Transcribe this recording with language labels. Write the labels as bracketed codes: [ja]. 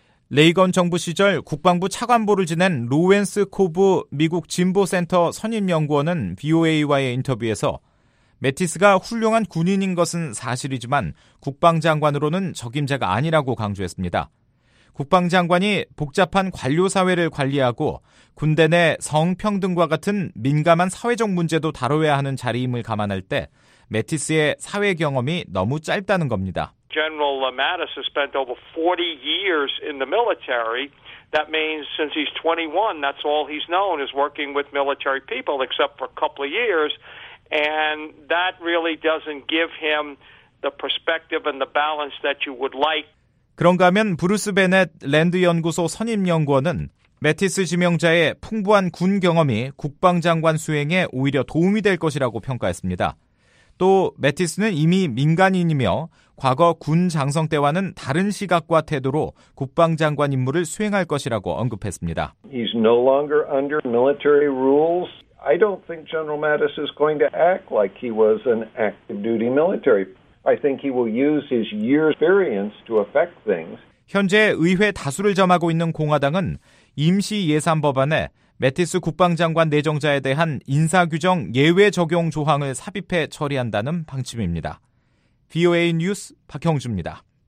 [ko] 레이건 정부 시절 국방부 차관보를 지낸 로웬스 코브 미국 진보센터 선임연구원은 VOA와의 인터뷰에서 매티스가 훌륭한 군인인 것은 사실이지만 국방장관으로는 적임자가 아니라고 강조했습니다. 국방장관이 복잡한 관료사회를 관리하고 군대 내 성평등과 같은 민감한 사회적 문제도 다뤄야 하는 자리임을 감안할 때 매티스의 사회 경험이 너무 짧다는 겁니다. [en] General Mattis has spent over 40 years in the military. That means since he's 21, that's all he's known is working with military people except for a couple of years. And that really doesn't give him the perspective and the balance that you would like. [ko] 그런가 하면 브루스 베넷 랜드 연구소 선임 연구원은 매티스 지명자의 풍부한 군 경험이 국방장관 수행에 오히려 도움이 될 것이라고 평가했습니다. 또 매티스는 이미 민간인이며 과거 군 장성 때와는 다른 시각과 태도로 국방장관 임무를 수행할 것이라고 언급했습니다. [en] He's no longer under military rules. I don't think General Mattis is going to act like he was an active duty military. I think he will use his years experience to affect things. [ko] 현재 의회 다수를 점하고 있는 공화당은 임시 예산 법안에 매티스 국방장관 내정자에 대한 인사 규정 예외 적용 조항을 삽입해 처리한다는 방침입니다. VOA 뉴스 박형주입니다.